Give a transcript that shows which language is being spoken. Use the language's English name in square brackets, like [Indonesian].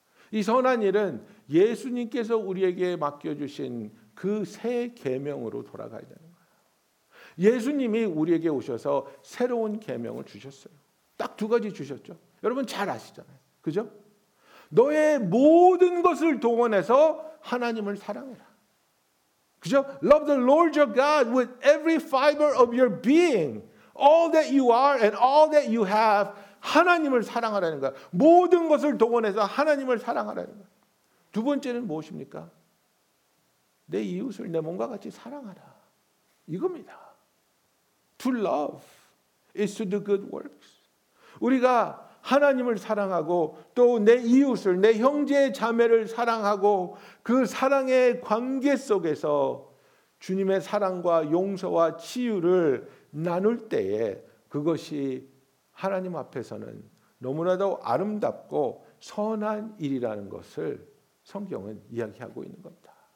[Korean] 이 선한 일은 예수님께서 우리에게 맡겨주신 그 새 계명으로 돌아가야 되는 거예요. 예수님이 우리에게 오셔서 새로운 계명을 주셨어요. 딱 두 가지 주셨죠. 여러분 잘 아시잖아요. 그죠? 너의 모든 것을 동원해서 하나님을 사랑해라. 그죠? [English] Love the Lord your God with every fiber of your being, all that you are and all that you have. [Korean] 하나님을 사랑하라는 거야. 모든 것을 동원해서 하나님을 사랑하라는 거야. 두 번째는 무엇입니까? 내 이웃을 내 몸과 같이 사랑하라. 이겁니다. [English] To love is to do good works. [Korean] 우리가 하나님을 사랑하고 또 내 이웃을 내 형제 자매를 사랑하고 그 사랑의 관계 속에서 주님의 사랑과 용서와 치유를 나눌 때에 그것이 하나님 앞에서는 너무나도 아름답고 선한 일이라는 것을 성경은 이야기하고 있는 겁니다.